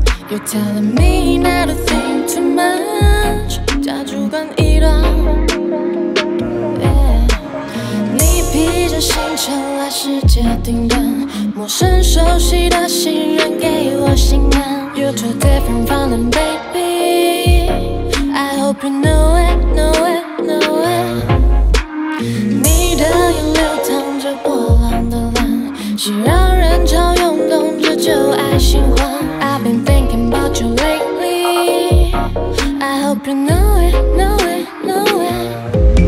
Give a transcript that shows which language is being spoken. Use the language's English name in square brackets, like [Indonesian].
[English] You're telling me not to think too much， [Chinese] 价值观一乱。你披着星辰来世界顶端，陌生熟悉的信任给我心安。 [English] You're too different from them, baby。 I hope you know it, know it, know it。 [Chinese] 你的眼流淌着波浪的蓝，是让人潮涌动着旧爱新欢。 [English] I've been thinking about you lately。 I hope you know it, know it, know it。